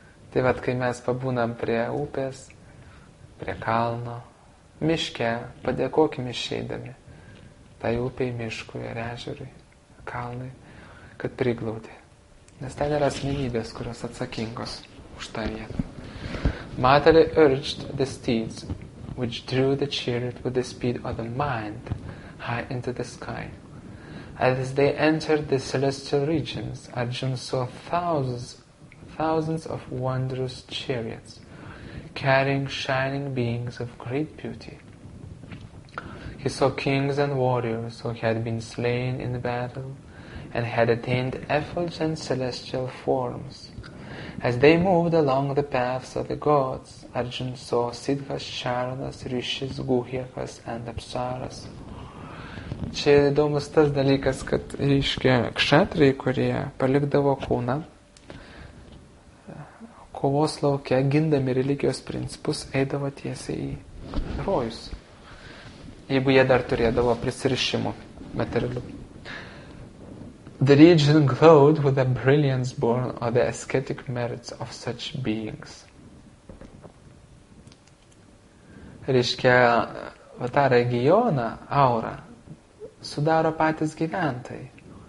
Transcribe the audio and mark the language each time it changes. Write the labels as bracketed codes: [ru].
[lt] Tai vat, kai mes pabūnam prie upės, prie kalno, miške, padėkokim išeidami tai upėj, miškui, ežerui, kalnui, kad priglaudė. Nes ten yra asmenybės, kurios atsakingos už tą vietą. [en] Matali urged the steeds, which drew the chariot with the speed of the mind, high into the sky. As they entered the celestial regions, Arjuna saw thousands of wondrous chariots, carrying shining beings of great beauty. He saw kings and warriors who had been slain in battle and had attained effulgent celestial forms. As they moved along the paths of the gods, Arjuna saw Siddhas, Charanas, Rishis, Guhyakas and Apsaras. [lt] Čia įdomus tas dalykas, kad reiškia kšatrai, kurie palikdavo kūną, kovos laukia, gindami religijos principus, eidavo tiesiai į rojus. Jeigu jie dar turėdavo prisirišimų materialių. [en] The region glowed with the brilliance born of the ascetic merits of such beings. [lt] Reiškia, tą regioną, aura, sudaro patys gyventojai.